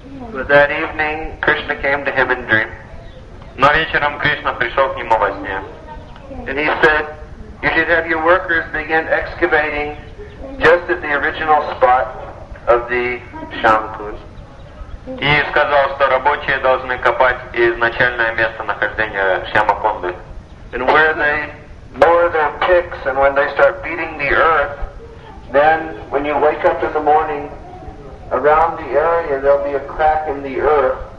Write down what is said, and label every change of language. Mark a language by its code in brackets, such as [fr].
[en] But that evening, Krishna came to him in dream. [ru] Но вечером Кришна пришел к нему во сне. [en] And he said, you should have your workers begin excavating just at the original spot of the Шьямакунды. [ru] И сказал, что рабочие должны копать изначальное место нахождения Шьямакунды. [en] And where they lower their picks and when they start beating the earth, then when you wake up in the morning, around the area there'll be a crack in the earth.